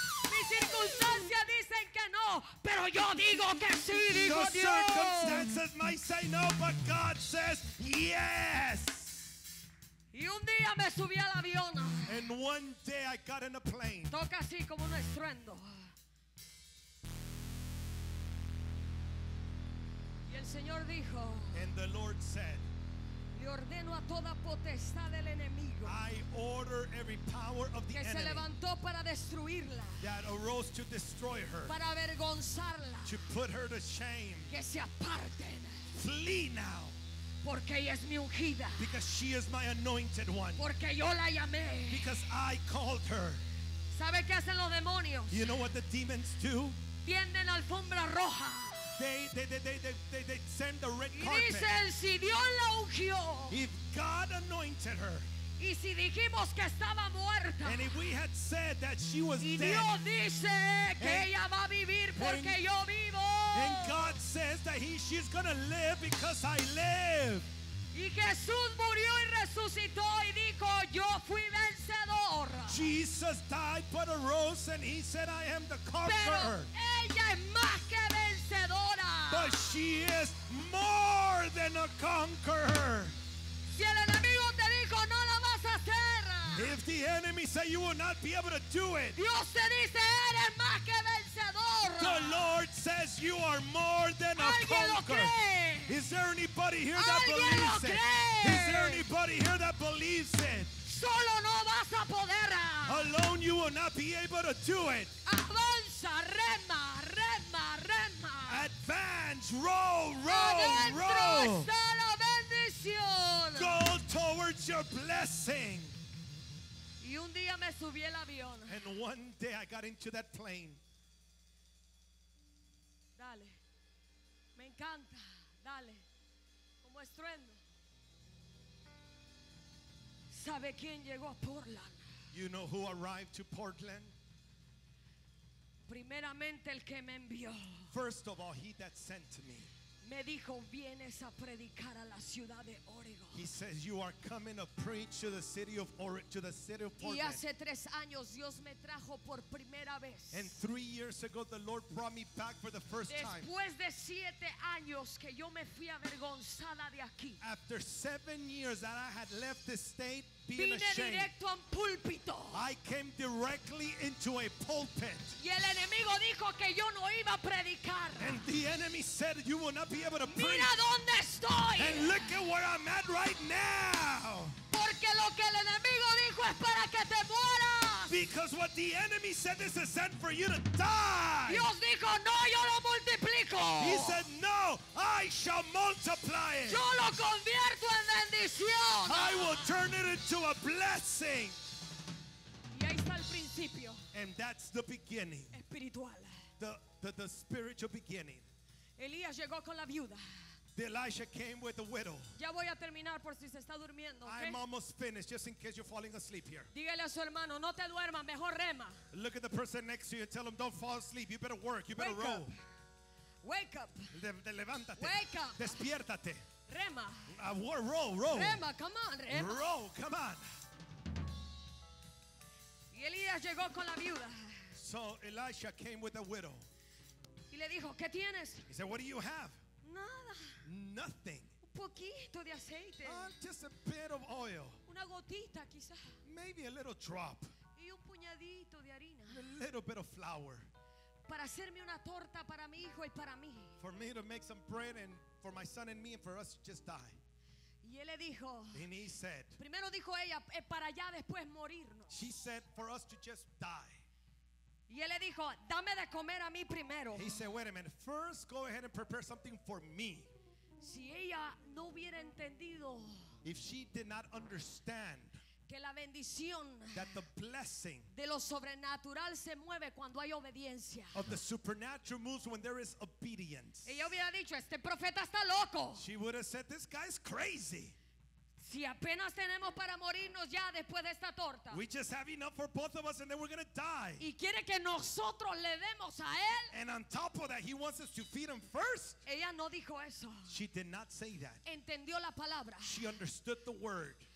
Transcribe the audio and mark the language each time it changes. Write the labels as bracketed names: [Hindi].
[Spanish] Mi circunstancia dicen que no, pero yo digo que sí, dijo Dios. [English] Your circumstances might say no, but God says yes. [Spanish] Y un día me subí al avión. [English] And one day I got in a plane. [Spanish] Toca así como un estruendo. Y el Señor dijo. [English] And the Lord said. [Spanish] Le ordeno a toda potestad del enemigo. [English] I order every power of the [Spanish] que [English] enemy. [Spanish] Que se levantó para destruirla. [English] That arose to destroy her. [Spanish] Para avergonzarla. [English] To put her to shame. [Spanish] Que se aparten. [English] Flee now. [Spanish] Porque ella es mi ungida. [English] Because she is my anointed one. [Spanish] Porque yo la llamé. [English] Because I called her. [Spanish] ¿Sabe qué hacen los demonios? [English] You know what the demons do? [Spanish] Tienden alfombra roja. [English] They send the red carpet. [Spanish] Y dicen, si Dios la ungió. [English] If God anointed her. [Spanish] Y si dijimos que estaba muerta. [English] And if we had said that she was [Spanish] y [English] dead. [Spanish] Y Dios dice que and, ella va a vivir porque and, yo vivo. [English] And God says that she's going to live because I live. [Spanish] Y Jesús murió y resucitó y dijo, yo fui vencedor. [English] Jesus died but arose and he said, I am the conqueror. [Spanish] Pero ella es más que vencedora. [English] But she is more than a conqueror. [Spanish] Si el enemigo te dijo, no la vas a hacer. [English] If the enemy said you will not be able to do it. [Spanish] Dios te dice, eres más que vencedor. [English] The Lord says you are more than a conqueror. Is there anybody here that believes it? Is there anybody here that believes it? [Spanish] Solo no vas a poder. [English] Alone you will not be able to do it. [Spanish] Avanza, rema, rema, rema. [English] Advance, row, row, row. [Spanish] Está la bendición. [English] Go towards your blessing. [Spanish] Y un día me subí el avión. [English] And one day I got into that plane. [Spanish] Dale. Me encanta. Dale. Como estruendo. ¿Sabe quién llegó a Portland? [English] You know who arrived to Portland? [Spanish] Primeramente el que me envió. [English] First of all, he that sent me. [Spanish] Me dijo, vienes a predicar a la ciudad de Oregon. [English] He says, you are coming to preach to the city of Oregon, to the city of Portland. [Spanish] Y hace tres años Dios me trajo por primera vez. [English] And 3 years ago, the Lord brought me back for the first [Spanish] Después [English] time. [Spanish] Después de 7 años que yo me fui avergonzada de aquí. [English] After 7 years that I had left the state being [Spanish] vine [English] ashamed. [Spanish] Vine directo a un púlpito. [English] I came directly into a pulpit. [Spanish] Y el enemigo dijo que yo no iba a predicar. [English] And the enemy said, you will not be able to preach. [Spanish] Mira dónde estoy. [English] And look at where I'm at right now. [Spanish] Porque lo que el enemigo dijo es para que te mueras. [English] Because what the enemy said, this is sent for you to die. [Spanish] Dios dijo, no, yo lo multiplico. [English] He said, no, I shall multiply it. [Spanish] Yo lo convierto en bendición. [English] I will turn it into a blessing. [Spanish] Y ahí está el primer. principio. [English] And that's the beginning. [Spanish] Espiritual. [English] The spiritual beginning. [Spanish] Elías llegó con la viuda. [English] Elijah came with the widow. [Spanish] Ya voy a terminar por si se está durmiendo. [English] I'm almost finished, just in case you're falling asleep here. [Spanish] Dígale a su hermano, no te duermas, mejor rema. [English] Look at the person next to you and tell him, don't fall asleep. You better work, you better row. Wake up. [Spanish] Levántate. [English] Wake up. [Spanish] Despiértate. Rema. [English] Row. [Spanish] Rema, [English] come on, [Spanish] rema. [English] Row, come on. [Spanish] Y Elías llegó con la viuda. [English] So Elijah came with the widow. [Spanish] Y le dijo, ¿qué tienes? [English] He said, what do you have? [Spanish] Nada. [English] Nothing. [Spanish] Un poquito de aceite. [English] Just a bit of oil. [Spanish] Una gotita, quizá. [English] Maybe a little drop. [Spanish] Y un puñadito de harina. [English] A little bit of flour. [Spanish] Para hacerme una torta para mi hijo y para mí. [English] For me to make some bread and for my son and me and for us to just die. [Spanish] Y él le dijo. [English] And he said. [Spanish] Primero dijo ella, para ya después morirnos. [English] She said, for us to just die. [Spanish] Y él le dijo, dame de comer a mí primero. [English] He said, wait a minute, first go ahead and prepare something for me. [Spanish] Si ella no hubiera entendido. [English] If she did not understand. [Spanish] Que la bendición. [English] That the blessing. [Spanish] De lo sobrenatural se mueve cuando hay obediencia. [English] Of the supernatural moves when there is obedience. [Spanish] Ella hubiera dicho, este profeta está loco. [English] She would have said, this guy is crazy. [Spanish] Si apenas tenemos para morirnos ya después de esta torta. [English] We just have enough for both of us and then we're going to die. [Spanish] Y quiere que nosotros le demos a él. [English] And on top of that, he wants us to feed him first. [Spanish] Ella no dijo eso. [English] She did not say that. [Spanish] Entendió la palabra. [English] She understood the word.